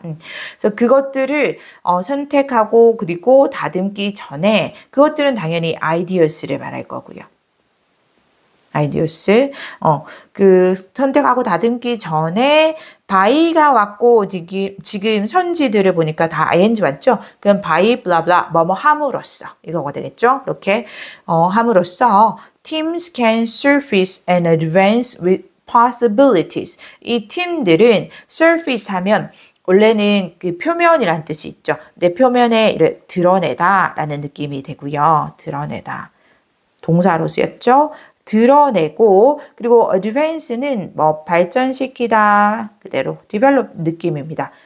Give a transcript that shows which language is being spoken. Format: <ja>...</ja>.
<ko>그래서 그것들을 선택하고, 그리고 다듬기 전에, 그것들은 당연히 ideas를 말할 거고요. 아이디어스. 그 선택하고 다듬기 전에 바이가 왔고 지금 선지들을 보니까 다 ing 맞죠? 그럼 바이 블라블라 뭐뭐 함으로써 이거가 되겠죠? 이렇게 함으로써</ko> <en>teams can surface and advance with possibilities.</en> <ko>이 팀들은 surface 하면 원래는 그 표면이란 뜻이 있죠. 내 표면에 이를 드러내다라는 느낌이 되고요. 드러내다. 동사로 쓰였죠? 드러내고, 그리고 advance는 뭐 발전시키다, 그대로 develop 느낌입니다.</ko>